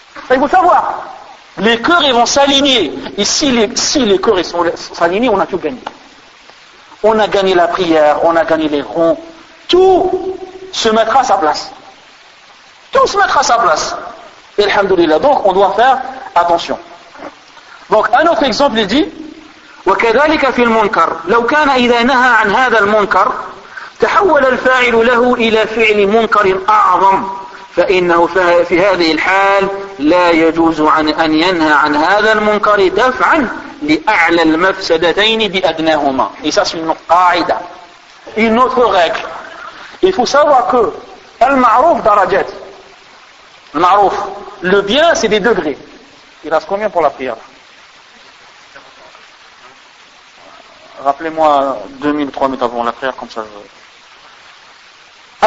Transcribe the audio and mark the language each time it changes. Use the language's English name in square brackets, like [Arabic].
[French] Il faut savoir, les cœurs, ils vont s'aligner. Et si les cœurs, ils sont s'alignés, on a tout gagné. On a gagné la prière, on a gagné les ronds. Tout se mettra à sa place. Tout se mettra à sa place. Et alhamdoulilah. Donc, on doit faire attention. Donc, un autre exemple, il dit [Arabic] وَكَذَلِكَ فِي الْمُنْكَرْ لَوْ كَانَ إِذَا نَهَا عَنْ هَذَا الْمُنْكَرْ تَحَوَّلَ الْفَاعِلُ لَهُ إِلَى فِعْلِ مُنْكَرٍ أَعْظَمْ فَإِنَّهُ فِي هَذِهِ الْحَالِ لَا يَجُوزُ عَنْ أَنْ يَنْهَا عَنْ هَذَا الْمُنْكَرِ دَفْعًا لِأَعْلَى الْمَفْسَدَتَيْنِ بِأَدْنَاهُمَا. [French] Et ça, c'est une قاعدة. Une autre règle. Il faut savoir que al-ma'ruf darajat. Al-ma'ruf. Le bien, c'est des degrés. Il reste combien pour la prière? Rappelez-moi 2000, 3000 avant la prière, comme ça je...